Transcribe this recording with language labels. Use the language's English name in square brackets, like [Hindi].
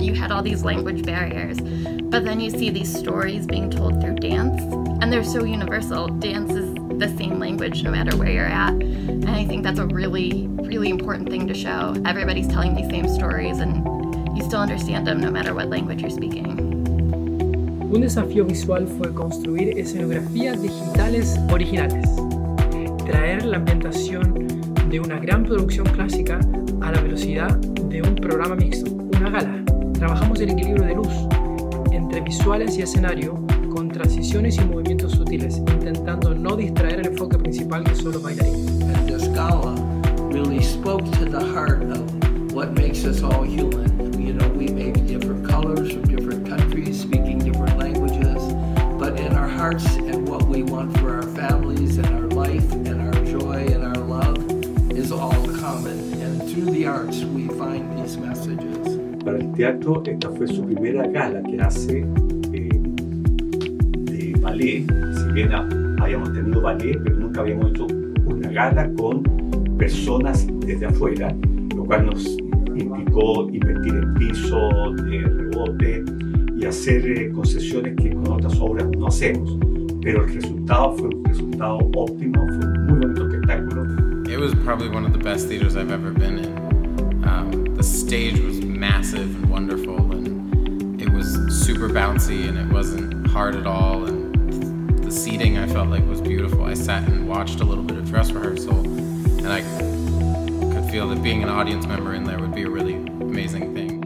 [English] You had all these language barriers, but then you see these stories being told through dance, and they're so universal. Dance is the same language no matter where you're at, and I think that's a really, really important thing to show. Everybody's telling these same stories, and you still understand them no matter what language you're speaking. [Spanish] Un desafío visual fue construir escenografías digitales originales, traer la ambientación de una gran producción clásica a la velocidad de un programa mixto, una gala. Trabajamos el equilibrio de luz entre visuales y escenario con transiciones y movimientos sutiles, intentando no distraer el enfoque. principal que solo bailarín. [English] And this gala really spoke to the heart of what makes us all human. You know, we may be different colors from different countries, speaking different languages, but in our hearts and what we want for our families and our life and our joy and our love is all common. And through the arts, we find these messages. [Spanish] Para el teatro, esta fue su primera gala que hace de ballet. Si bien habíamos tenido ballet, pero nunca habíamos hecho una gala con personas desde afuera, lo cual nos implicó invertir en piso, de rebote y hacer concesiones que con otras obras no hacemos. Pero el resultado fue un resultado óptimo, fue un muy bonito espectáculo. [English] It was probably one of the best theaters I've ever been in. The stage was massive and wonderful, and it was super bouncy, and it wasn't hard at all. And the seating I felt like was beautiful. I sat and watched a little bit of dress rehearsal, and I could feel that being an audience member in there would be a really amazing thing.